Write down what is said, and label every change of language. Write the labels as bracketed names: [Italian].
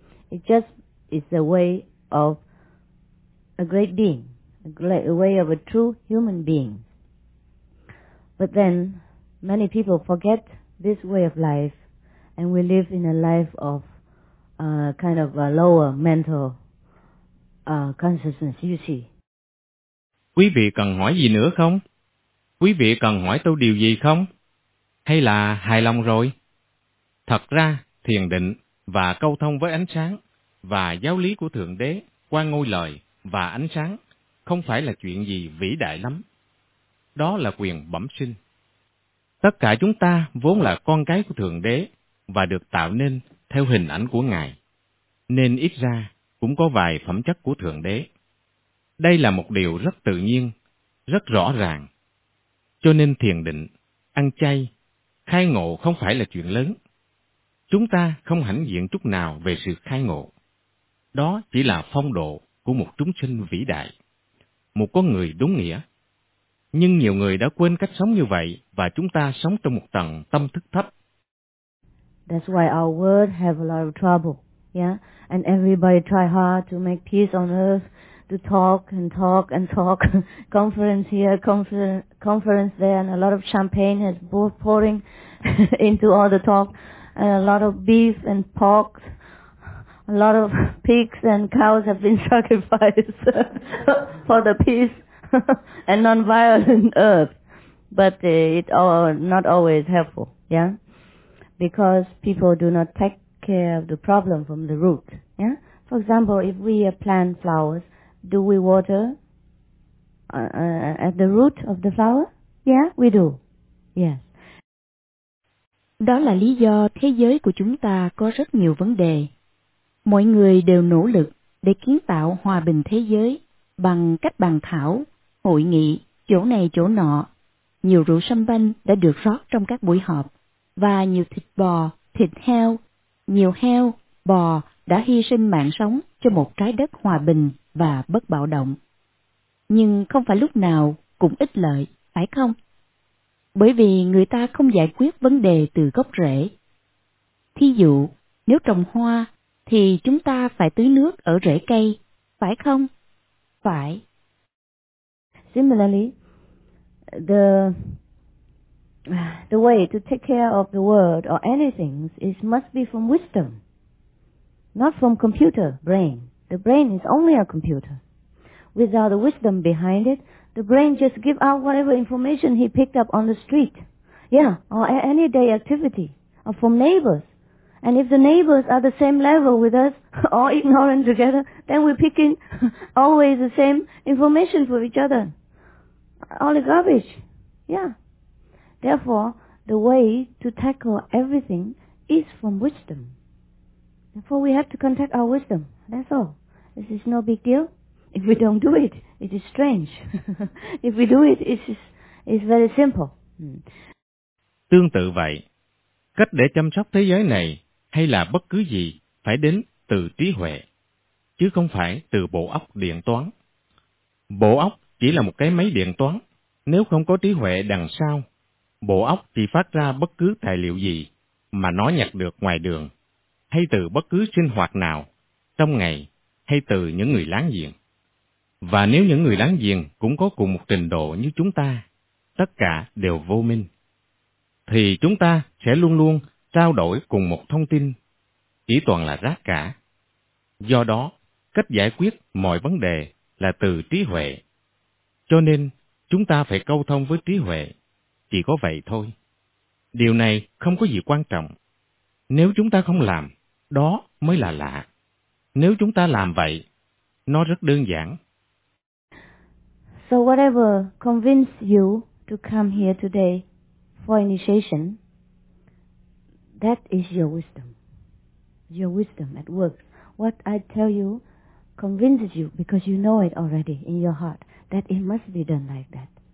[English] It just is a way of a great being, a way of a true human being. But then many people forget this way of life and we live in a life of kind of a lower mental consciousness, you see. [Vietnamese] Quý vị cần hỏi gì nữa không? Quý vị cần hỏi tôi điều gì không? Hay là hài lòng rồi? Thật ra, thiền định và câu thông với ánh sáng và giáo lý của Thượng Đế qua ngôi lời và ánh sáng không phải là chuyện gì vĩ đại lắm. Đó là quyền bẩm sinh. Tất cả chúng ta vốn là con cái của Thượng Đế và được tạo nên theo hình ảnh của Ngài, nên ít ra cũng có vài phẩm chất của Thượng Đế. Đây là một điều rất tự nhiên, rất rõ ràng. Cho nên thiền định, ăn chay, khai ngộ không phải là chuyện lớn. Chúng ta không hãnh diện chút nào về sự khai ngộ. Đó chỉ là phong độ của một chúng sinh vĩ đại, một con người đúng nghĩa. Nhưng nhiều người đã quên cách sống như vậy và chúng ta sống trong một tầng tâm thức thấp. [English] That's why our world have a lot of trouble, yeah? And everybody try hard to make peace on earth, to talk and talk and talk, conference here, conference there, and a lot of champagne is pouring into all the talk, and a lot of beef and pork, a lot of pigs and cows have been sacrificed for the peace and non-violent earth. But it all not always helpful, yeah? Because people do not take care of the problem from the root. Yeah. For example, if we plant flowers, do we water at the root of the flower? Yeah, we do. Yes. Yeah. [Vietnamese] Đó là lý do thế giới của chúng ta có rất nhiều vấn đề. Mọi người đều nỗ lực để kiến tạo hòa bình thế giới bằng cách bàn thảo, hội nghị, chỗ này chỗ nọ. Nhiều rượu sâm banh đã được rót trong các buổi họp. Và nhiều thịt bò, thịt heo, nhiều heo, bò đã hy sinh mạng sống cho một trái đất hòa bình và bất bạo động. Nhưng không phải lúc nào cũng ích lợi, phải không? Bởi vì người ta không giải quyết vấn đề từ gốc rễ. Thí dụ, nếu trồng hoa thì chúng ta phải tưới nước ở rễ cây, phải không? Phải. [English] Similarly, the way to take care of the world or anything is must be from wisdom, not from computer brain. The brain is only a computer. Without the wisdom behind it, the brain just give out whatever information he picked up on the street, yeah, or any day activity, or from neighbors. And if the neighbors are the same level with us, all ignorant together, then we're picking always the same information for each other. All the garbage, yeah. Therefore, the way to tackle everything is from wisdom. Therefore, we have to contact our wisdom. That's all. This is no big deal. If we don't do it, it is strange. If we do it, it's very simple. [Vietnamese] Tương tự vậy, cách để chăm sóc thế giới này hay là bất cứ gì phải đến từ trí huệ, chứ không phải từ bộ óc điện toán. Bộ óc chỉ là một cái máy điện toán, nếu không có trí huệ đằng sau, bộ óc thì phát ra bất cứ tài liệu gì mà nó nhặt được ngoài đường, hay từ bất cứ sinh hoạt nào, trong ngày, hay từ những người láng giềng. Và nếu những người láng giềng cũng có cùng một trình độ như chúng ta, tất cả đều vô minh, thì chúng ta sẽ luôn luôn trao đổi cùng một thông tin, chỉ toàn là rác cả. Do đó, cách giải quyết mọi vấn đề là từ trí huệ. Cho nên, chúng ta phải câu thông với trí huệ, chỉ có vậy thôi. Điều này không có gì quan trọng. Nếu chúng ta không làm, đó mới là lạ. Nếu chúng ta làm vậy, nó rất đơn giản. [English] So whatever convinced you to come here today for initiation, that is your wisdom. Your wisdom at work. What I tell you convinces you because you know it already in your heart that it must be done like that.